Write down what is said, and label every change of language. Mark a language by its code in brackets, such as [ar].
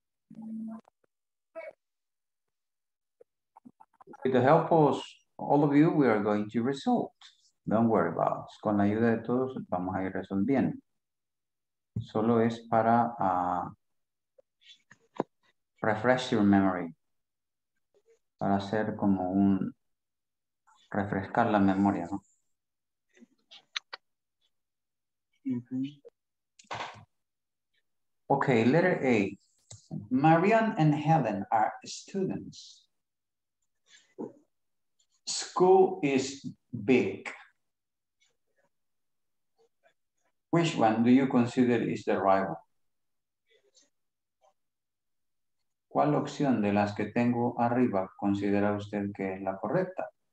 [en] With the help of all of you, we are going to resolve. Don't worry about it. [es] Con la ayuda de todos, vamos a ir resolviendo. Solo es para [en] refresh your memory. [es] Para hacer como un refrescar la memoria, ¿no? Mm-hmm. [en] Okay, letter A. Marianne and Helen are students. School is big. Which one do you consider is the right one? [es] ¿Cuál opción de las que tengo arriba considera usted que es la correcta?